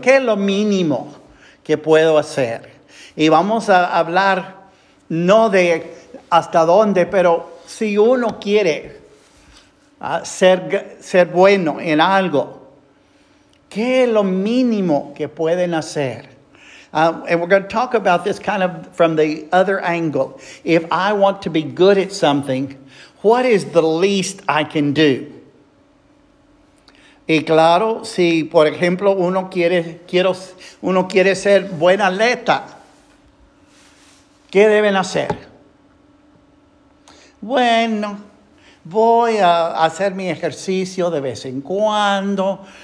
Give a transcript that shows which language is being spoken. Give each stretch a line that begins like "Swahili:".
Spanish: ¿Qué es lo mínimo que puedo hacer? Y vamos a hablar no de hasta dónde, pero si uno quiere ser bueno en algo, ¿qué es lo mínimo que pueden hacer?
English: And we're going to talk about this kind of from the other angle. If I want to be good at something, what is the least I can do?
Spanish: Y claro, si por ejemplo uno quiere ser buen atleta, ¿qué deben hacer? Bueno, voy a hacer mi ejercicio de vez en cuando.